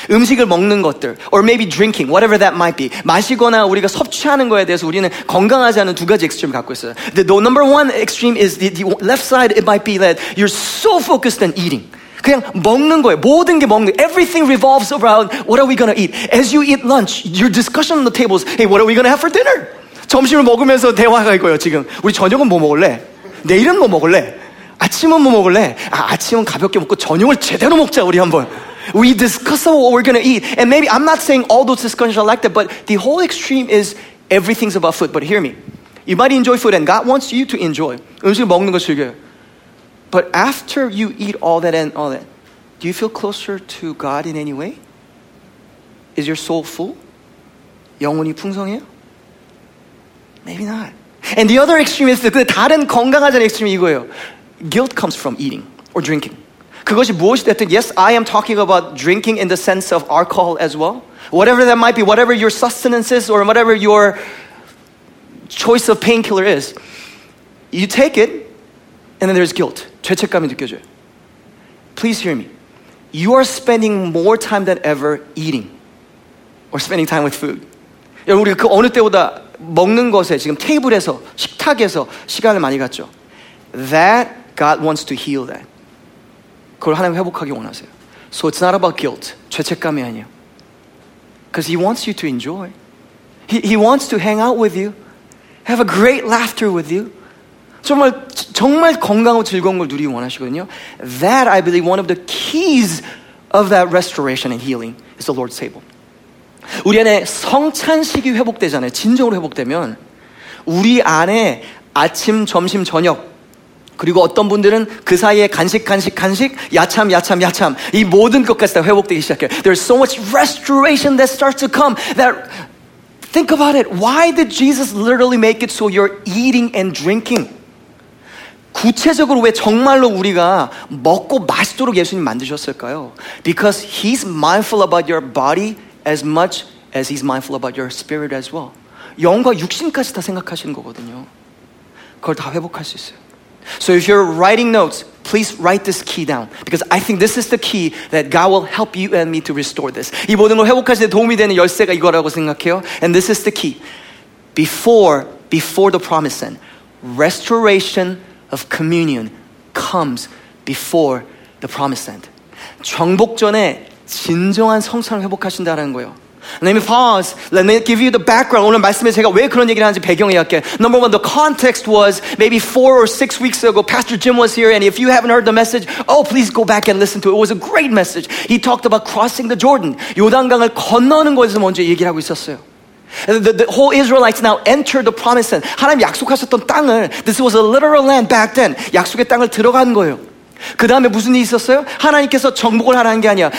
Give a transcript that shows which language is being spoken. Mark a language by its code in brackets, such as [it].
[ko] 음식을 먹는 것들 [en] or maybe drinking, whatever that might be. [ko] 마시거나 우리가 섭취하는 거에 대해서 우리는 건강하지 않은 두 가지 extreme을 갖고 있어요. [en] The number one extreme is the left side. It might be that you're so focused on eating. [ko] 그냥 먹는 거예요. 모든 게 먹는 거예요. [en] Everything revolves around what are we going to eat. As you eat lunch, your discussion on the table is, hey, what are we going to have for dinner? [ko] 점심을 먹으면서 대화가 이거예요 지금. 우리 저녁은 뭐 먹을래? 내일은 뭐 먹을래? 아침은 뭐 먹을래? 아, 아침은 가볍게 먹고 저녁을 제대로 먹자 우리 한번. [en] We discuss about what we're going to eat. And maybe I'm not saying all those discussions are like that, but the whole extreme is everything's about food. But hear me. You might enjoy food and God wants you to enjoy. [ko] 음식 먹는 거 즐겨요. [en] But after you eat all that and all that, do you feel closer to God in any way? Is your soul full? [ko] 영혼이 풍성해요? [en] Maybe not. And the other extreme is [ko] 그 다른 건강하자는 extreme 이거예요. [en] Guilt comes from eating or drinking. [ko] 그것이 무엇이 됐든, [en] yes, I am talking about drinking in the sense of alcohol as well. Whatever that might be, whatever your sustenance is or whatever your choice of painkiller is, you take it and then there's guilt. [ko] 죄책감이 느껴져요. [en] Please hear me. You are spending more time than ever eating or spending time with food. [ko] 여러분, 우리가 그 어느 때보다 먹는 것에 지금 테이블에서, 식탁에서 시간을 많이 갖죠. [en] That God wants to heal that. [ko] 그걸 하나님 회복하기 원하세요. [en] So it's not about guilt. [ko] 죄책감이 아니에요. [en] Because he wants you to enjoy. He wants to hang out with you. Have a great laughter with you. [ko] 정말 정말 건강하고 즐거운 걸 누리기 원하시거든요. [en] That, I believe, one of the keys of that restoration and healing is the Lord's table. [ko] 우리 안에 성찬식이 회복되잖아요. 진정으로 회복되면 우리 안에 아침, 점심, 저녁 그리고 어떤 분들은 그 사이에 간식, 간식, 간식, 야참, 야참, 야참 이 모든 것까지 다 회복되기 시작해요. [en] There's so much restoration that starts to come that, think about it. Why did Jesus literally make it so you're eating and drinking? [ko] 구체적으로 왜 정말로 우리가 먹고 마시도록 예수님 만드셨을까요? [en] Because he's mindful about your body as much as he's mindful about your spirit as well. [ko] 영과 육신까지 다 생각하시는 거거든요. 그걸 다 회복할 수 있어요. [en] So if you're writing notes, please write this key down. Because I think this is the key that God will help you and me to restore this. [ko] 이 모든 걸 회복하실 때 도움이 되는 열쇠가 이거라고 생각해요. [en] And this is the key. Before the promise end, restoration of communion comes before the promise end. [ko] 정복전에 진정한 성찬을 회복하신다는 거예요. [en] Let me pause. Let me give you the background. [ko] 오늘 말씀에 제가 왜 그런 얘기를 하는지 배경 이야기할게요. [en] Number one, the context was maybe 4 or 6 weeks ago, Pastor Jim was here, and if you haven't heard the message, oh, please go back and listen to it. It was a great message. He talked about crossing the Jordan. [ko] 요단강을 건너는 거에서 먼저 얘기를 하고 있었어요. [en] The whole Israelites now entered the promised land. [ko] 하나님 약속하셨던 땅을, [en] this was a literal land back then, [ko] 약속의 땅을 들어간 거예요. 그 다음에 무슨 일이 있었어요? 하나님께서 정복을 하라는 게 아니야.